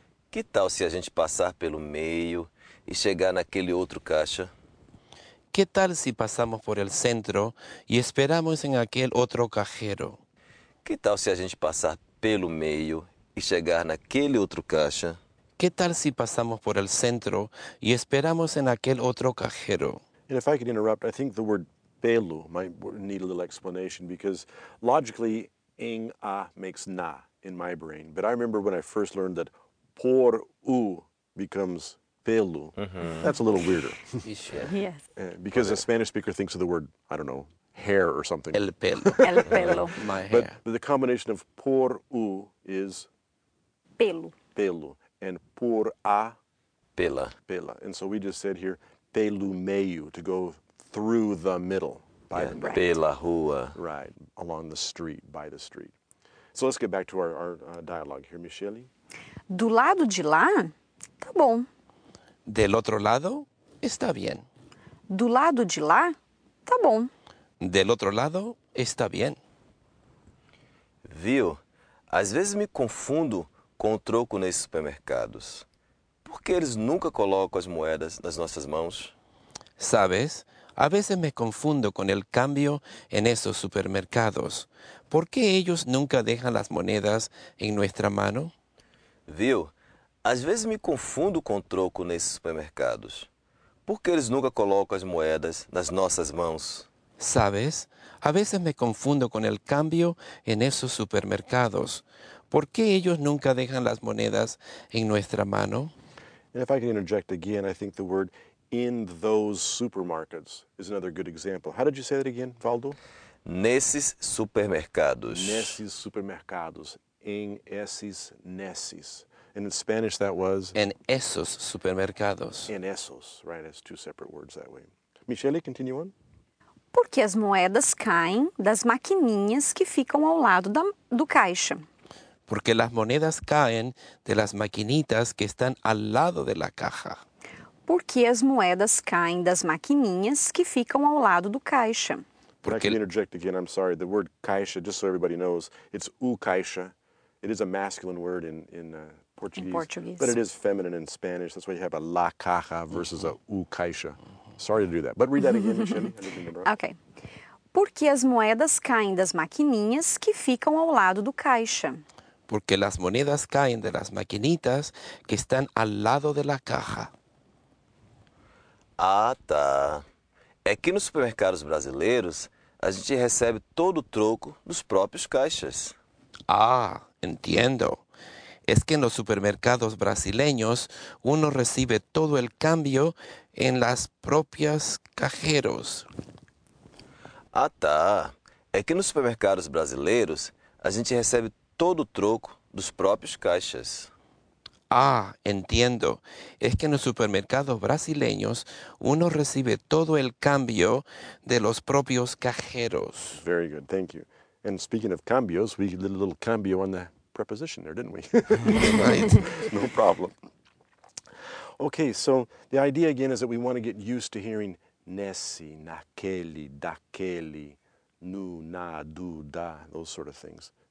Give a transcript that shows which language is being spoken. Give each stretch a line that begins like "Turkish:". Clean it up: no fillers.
Portuguese: Que tal se a gente passar pelo meio e chegar naquele outro caixa?
Spanish: Que tal se passamos por el centro e esperamos en aquel otro cajero?
Portuguese: Que tal se a gente passar pelo meio e chegar naquele outro caixa?
Spanish: Que tal se passamos por el centro e esperamos en aquel otro cajero?
English: And if I could interrupt, I think the word pelo might need a little explanation because logically, ing a makes na in my brain. But I remember when I first learned that por u becomes pelo, that's a little weirder. Yes. Because a Spanish speaker thinks of the word, I don't know, hair or something.
Spanish: El pelo. El pelo.
English: My hair. But the combination of por u is?
Portuguese: Pelo.
English: Pelo. And por a?
Portuguese: Pela. Pela.
English: And so we just said here,
Portuguese: pelo meio,
English: to go through the middle. By yeah, the
Portuguese: pela rua.
English: Right, along the street, by the street. So let's get back to our dialogue here, Michele.
Portuguese: Do lado de lá, tá bom.
Spanish: Del otro lado, está bien.
Portuguese: Do lado de lá, tá bom.
Spanish: Del otro lado, está bien.
Portuguese: Viu? Às vezes me confundo com o troco nesses supermercados. Por que eles nunca colocam as moedas nas nossas mãos?
Spanish: Sabes, a veces me confundo con el cambio en esos supermercados. ¿Por qué ellos nunca dejan las monedas en nuestra mano?
Portuguese: Viu, às vezes me confundo com o troco nesses supermercados. ¿Por qué eles nunca colocam as moedas nas nossas mãos?
Spanish: Sabes, a veces me confundo con el cambio en esos supermercados. ¿Por qué ellos nunca dejan las monedas en nuestra mano?
English: And if I can interject again, I think the word in those supermarkets is another good example. How did you say that again, Valdo?
Portuguese: Nesses supermercados. Nesses supermercados. En esses, nesses.
English: And in Spanish that was?
Spanish: En esos supermercados. En esos,
English: right, as two separate words that way. Michele, continue on.
Portuguese: Porque as moedas caem das maquininhas que ficam ao lado do caixa.
Spanish: Porque las monedas caen de las maquinitas que están al lado de la caja.
Portuguese: Porque as moedas caem das maquininhas que ficam ao lado do caixa.
English: Porque... I can interject again, I'm sorry. The word caixa, just so everybody knows, it's o caixa. It is a masculine word in Portuguese. In Portuguese. But it is feminine in Spanish. That's why you have
Spanish: a la caja
English: versus
Portuguese: a o caixa.
English: Sorry to do that. But read that again, Michele. Okay.
Portuguese: Porque as moedas caem das maquininhas que ficam ao lado do caixa.
Spanish: Porque las monedas caen de las maquinitas que están al lado de la caja.
Portuguese: Ah, tá. É que nos supermercados brasileiros, a gente recebe todo o troco dos próprios caixas.
Spanish: Ah, entiendo. Es que en los supermercados brasileños, uno recibe todo el cambio en las propias cajeros.
Portuguese: Ah, tá. É que nos supermercados brasileiros, a gente recebe todo o troco dos próprios caixas.
Spanish: Ah, entiendo. Es que en los supermercados brasileños uno recibe todo el cambio de los propios cajeros.
English: Very good, thank you. And speaking of cambios, we did a little cambio on the preposition there, didn't we? Right. No problem. Okay, so the idea again is that we want to get used to hearing nesse, naquele, daquele, no, na, do, da, those sort of things.